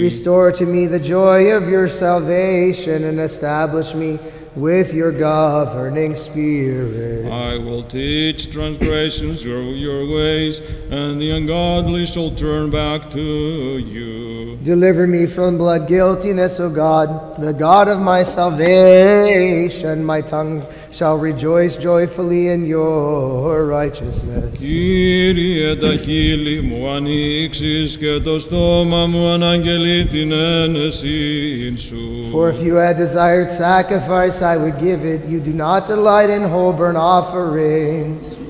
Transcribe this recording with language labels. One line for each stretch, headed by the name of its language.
English: Restore to me the joy of your salvation, and establish me with your governing spirit. I will teach transgressions your ways, and the ungodly shall turn back to you. Deliver me from blood guiltiness, O God, the God of my salvation. My tongue shall rejoice joyfully in your righteousness.
Greek: Κύριε τα χείλη μου ανοίξεις και το στόμα μου αναγγελεί την ένεσή σου.
English: For if you had desired sacrifice, I would give it. You do not delight in whole burnt offerings.